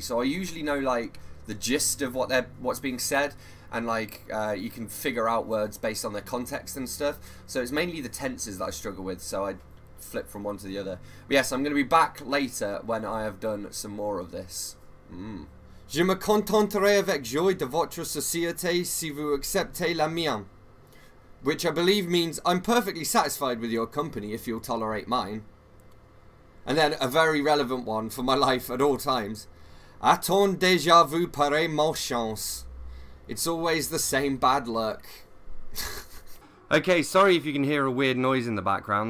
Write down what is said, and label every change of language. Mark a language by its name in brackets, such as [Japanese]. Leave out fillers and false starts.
[English] So I usually know like the gist of what's being said, and like you can figure out words based on their context and stuff. So it's mainly the tenses that I struggle with, so I flip from one to the other. But yes, I'm going to be back later when I have done some more of this. [French] Je me contenterai avec joie de votre société si vous acceptez la mienne. [English] Which I believe means I'm perfectly satisfied with your company if you'll tolerate mine. And then a very relevant one for my life at all times. [French] Attends déjà vu pareil malchance. [English] It's always the same bad luck. Okay, sorry if you can hear a weird noise in the background.